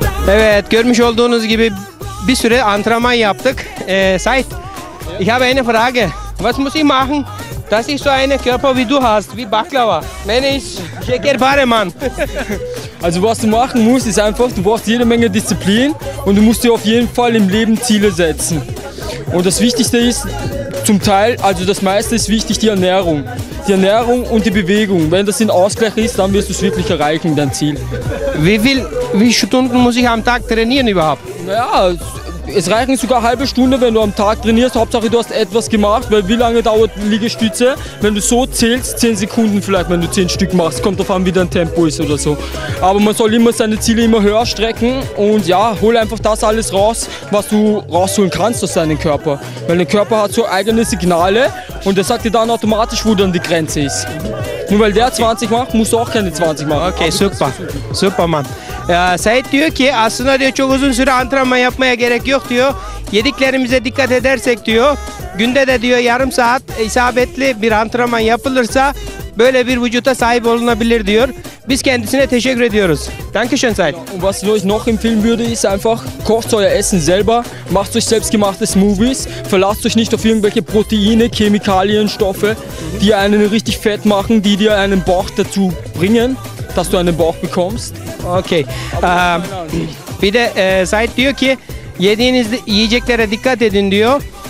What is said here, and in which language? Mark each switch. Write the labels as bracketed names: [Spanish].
[Turkish] Evet, görmüş olduğunuz gibi bir süre antrenman yaptık. [German] Said, ich habe eine Frage. Was muss ich machen, dass ich so eine Körper wie du hast, wie Baklava? Wenn ich Schäker fahre, Mann. Also was du machen musst, ist einfach, du brauchst jede Menge Disziplin und du musst dir auf jeden Fall im Leben Ziele setzen. Und das Wichtigste ist zum Teil, also das meiste ist wichtig, die Ernährung. Die Ernährung und die Bewegung. Wenn das in Ausgleich ist, dann wirst du es wirklich erreichen, dein Ziel. Wie Stunden muss ich am Tag trainieren überhaupt? Naja, es reichen sogar halbe Stunde, wenn du am Tag trainierst. Hauptsache, du hast etwas gemacht, weil wie lange dauert Liegestütze? Wenn du so zählst, 10 Sekunden vielleicht, wenn du 10 Stück machst. Kommt drauf an, wie dein Tempo ist oder so. Aber man soll immer seine Ziele immer höher strecken und ja, hol einfach das alles raus, was du rausholen kannst aus deinem Körper. Weil dein Körper hat so eigene Signale und der sagt dir dann automatisch, wo dann die Grenze ist. Nur weil der 20 macht, musst du auch keine 20 machen. Okay, super. Super, Mann. [Turkish] Said diyor ki aslında diyor çok uzun süre antrenman yapmaya gerek yok diyor. Yediklerimize dikkat edersek diyor. Günde de diyor yarım saat isabetli bir antrenman yapılırsa böyle bir vücuda sahip olunabilir diyor. Biz kendisine teşekkür ediyoruz. [German] Dankeschön Said. Und was ich euch noch empfehlen würde ist einfach, kocht euer Essen selber, macht euch selbstgemachte Smoothies, verlasst euch nicht auf irgendwelche Proteine, Chemikalien, Stoffe, die einen richtig fett machen, die dir einen Bauch dazu bringen, dass du einen Bauch bekommst. Okay. [Turkish] Bir de Said diyor ki yediğiniz yiyeceklere dikkat edin diyor.